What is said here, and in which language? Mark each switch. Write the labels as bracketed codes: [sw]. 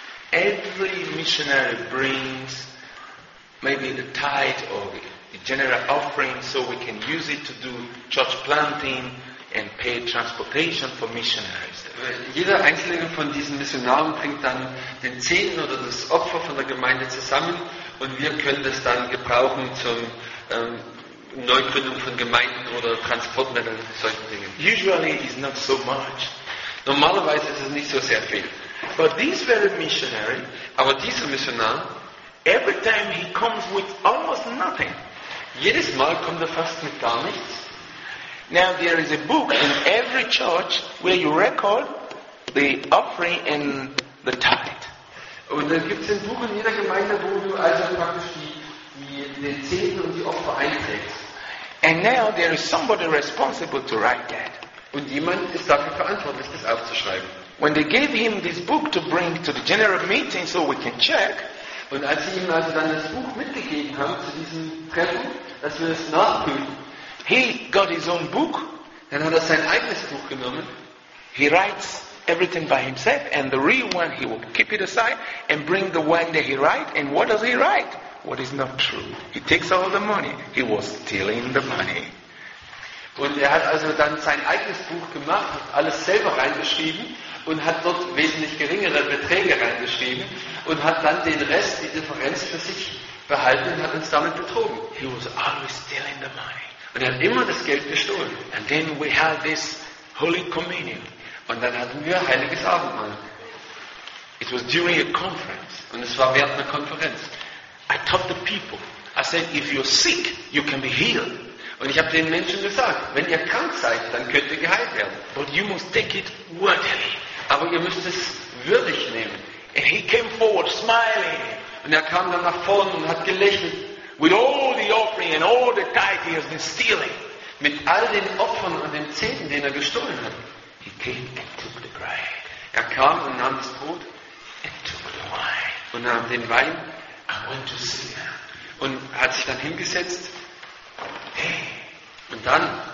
[en] every missionary brings maybe the tithe or the general offering so we can use it to do church planting and pay transportation for missionaries. [de] Jeder einzelne von diesen Missionaren bringt dann den Zehnten oder das Opfer von der Gemeinde zusammen und wir können das dann gebrauchen zum Neugründung von Gemeinden oder Transportmitteln, solchen Dingen. [en] Usually it is not so much. [de] Normalerweise ist es nicht so sehr viel. [en] But this very missionary, [de] aber dieser Missionar, [en] every time he comes with almost nothing. [de] Jedes Mal kommt er fast mit gar nichts. [en] Now there is a book in every church where you record the offering and the tithe. [de] Und dann gibt es ein Buch in jeder Gemeinde, wo du also praktisch den Zehnten und die Opfer einträgst. [en] And now there is somebody responsible to write that. [de] Und jemand ist dafür verantwortlich, das aufzuschreiben. [en] When they gave him this book to bring to the general meeting so we can check. [de] Und als sie ihm also dann das Buch mitgegeben haben zu diesem Treffen, dass wir das nachprüfen. [en] He got his own book. [de] Dann hat er sein eigenes Buch genommen. [en] He writes everything by himself, and the real one he will keep it aside and bring the one that he writes. And what does he write? What is not true? He takes all the money. He was stealing the money. [de] Und er hat also dann sein eigenes Buch gemacht, hat alles selber reingeschrieben und hat dort wesentlich geringere Beträge reingeschrieben und hat dann den Rest, die Differenz für sich behalten und hat uns damit betrogen. [en] He was always stealing the money. [de] Und er hat immer das Geld gestohlen. [en] And then we have this Holy Communion. [de] Und dann hatten wir Heiliges Abendmahl. [en] It was during a conference. [de] Und es war während einer Konferenz. [en] I taught the people. I said, if you're sick, you can be healed. [de] Und ich habe den Menschen gesagt, wenn ihr krank seid, dann könnt ihr geheilt werden. [en] But you must take it worthily. [de] Aber ihr müsst es würdig nehmen. [en] And he came forward smiling. [de] Und er kam dann nach vorne und hat gelächelt. [en] With all the offering and all the tithe he has been stealing, [de] mit all den Opfern und den Zehnten, den er gestohlen hat, [en] he came and took the bride. [de] Er kam und nahm das Brot [en] and took the wine. [de] Und nahm den Wein. [en] I went to see her. [de] Und hat sich dann hingesetzt. [en] Hey. [de] Und dann